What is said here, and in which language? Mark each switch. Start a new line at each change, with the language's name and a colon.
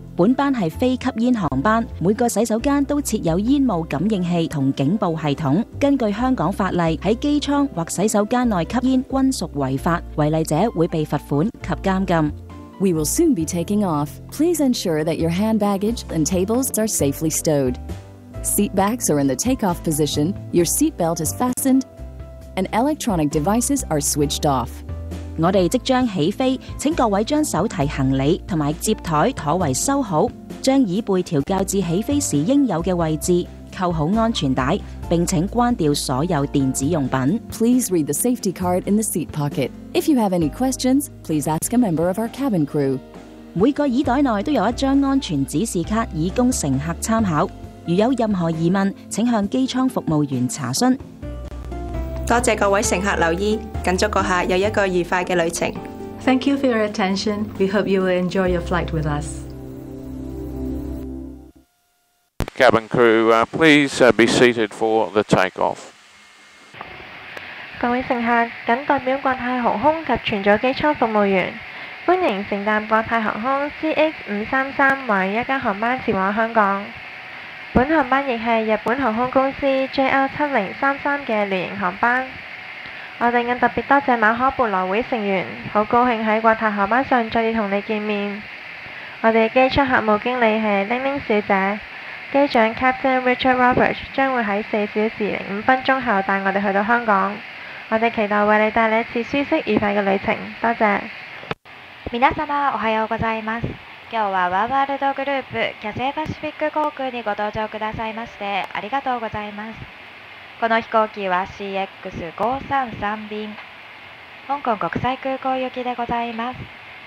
Cantonese: 本班是非吸烟航班，每个洗手间都设有烟雾感应器和警报系统。根据香港法例，在机舱或洗手间内吸烟均属违法，违例者会被罚款及监禁。
English: We will soon be taking off. Please ensure that your hand baggage and tables are safely stowed. Seat backs are in the takeoff position. Your seat belt is fastened, and electronic devices are switched off.
Cantonese: 我们即将起飞，请各位将手提行李和接台妥为收好，将椅背调校至起飞时应有的位置，扣好安全带，并请关掉所有电子用品。
English: Please read the safety card in the seat pocket. If you have any questions, please ask a member of our cabin crew.
Cantonese: 每个椅袋内都有一张安全指示卡以供乘客参考，如有任何疑问，请向机舱服务员查询。多谢各位乘客留意，更祝各客有一个愉快的旅程。
English: Thank you for your attention. We hope you will enjoy your flight with us. Cabin crew, please be seated for the takeoff.
Cantonese: 各位乘客，谨代表国泰航空及全座机舱服务员，欢迎乘搭国泰航空 CX533 为一间航班前往香港。本航班亦是日本航空公司 JR7033 的联营航班。我们更特别多谢马可伯来会成员，很高兴在国泰航班上再次和你见面。我们的机舱客务经理是玲玲小姐，机长 Captain Richard Roberts 将会在4:05后带我们去到香港。我们期待为你带来一次舒适愉快的旅程，多谢。
Japanese: 皆様おはようございます。今日はワンワールドグループキャセイパシフィック航空にご搭乗くださいましてありがとうございます。この飛行機は CX533 便、香港国際空港行きでございます。